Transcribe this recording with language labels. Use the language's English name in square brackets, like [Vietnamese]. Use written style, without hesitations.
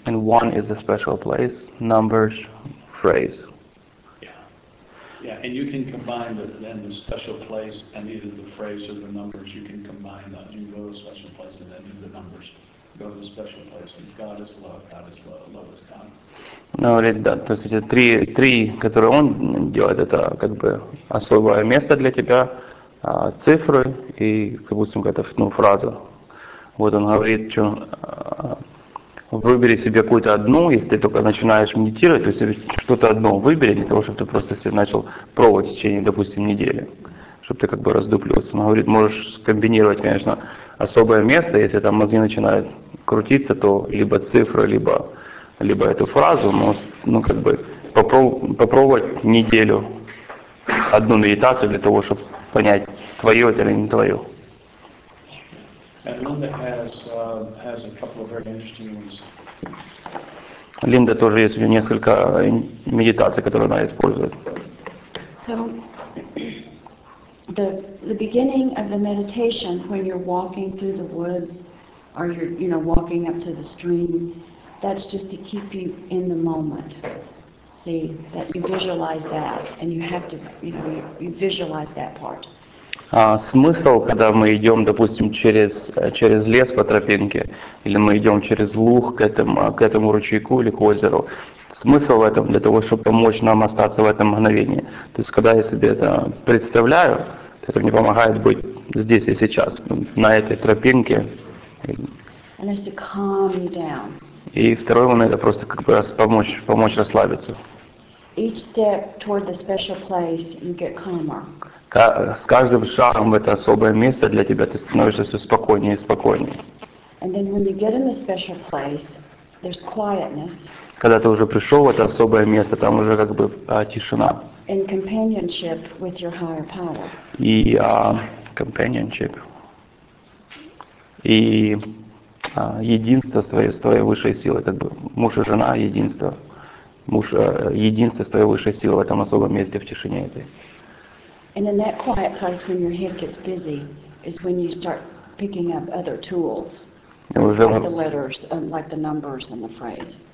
[English] And one is a special place, numbers, phrase. Yeah, and you can combine the special place and either the phrase or the numbers. You can combine that. You can go to the special place and then do the numbers. Go to the special place and God is love, God is love, love is God. [Russian] Ну, да, то есть эти три, которые он делает, это как бы особое место для тебя, цифры и, допустим, какая-то фраза. Вот он говорит, что выбери себе какую-то одну, если ты только начинаешь медитировать, то есть что-то одно выбери для того, чтобы ты просто себе начал пробовать в течение, допустим, недели, чтобы ты как бы раздуплился. Он говорит, можешь скомбинировать, конечно, особое место, если там мозги начинают крутиться, то либо цифры, либо эту фразу, но как бы попробовать неделю одну медитацию для того, чтобы понять, твое это или не твое. [English] And Linda has a couple of very interesting ones. [Russian] Linda тоже есть у нее несколько медитаций, которые она использует. [English] So the beginning of the meditation when you're walking through the woods or you're walking up to the stream, that's just to keep you in the moment. See, that you visualize that and you have to, you visualize that part. [Russian] Смысл, когда мы идем, допустим, через лес по тропинке, или мы идем через луг к этому ручейку или к озеру, смысл в этом для того, чтобы помочь нам остаться в этом мгновении. То есть, когда я себе это представляю, это мне помогает быть здесь и сейчас, на этой тропинке. [English] And it's to calm you down. [Russian] И второй момент — это просто как бы помочь расслабиться. [English] Each step toward the special place, you get calmer. [Russian] С каждым шагом в это особое место для тебя ты становишься все спокойнее и спокойнее. [English] And then when you get in the special place, there's quietness. [Russian] Когда ты уже пришел в это особое место, там уже как бы тишина. [English] And companionship with your higher power. [Russian] И companionship. И единство с твоей высшей силой, как бы муж и жена, единство. Муж, единство с твоей высшей силой в этом особом месте, в тишине этой. [English] And in that quiet place, when your head gets busy, is when you start picking up other tools, like the letters, like the numbers and the phrase.